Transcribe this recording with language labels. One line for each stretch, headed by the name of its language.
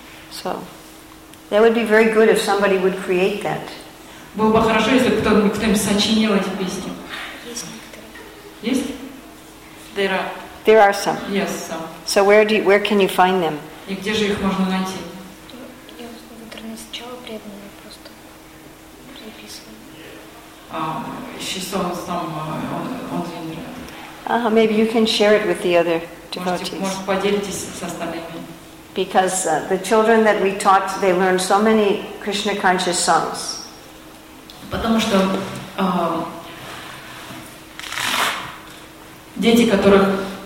English: So, that would be very good if somebody would create that.
Russian: Было бы хорошо, если кто-нибудь сочинил эти песни. Есть?
English: There are some. Yes, some. So where can you find them?
Russian: И где же их можно найти? Я в интернете сначала преданные просто переписывали.
English: Ah, maybe you can share it with the other. Because the children that we taught, they learned so many Krishna conscious songs.
Russian: Потому что дети, которых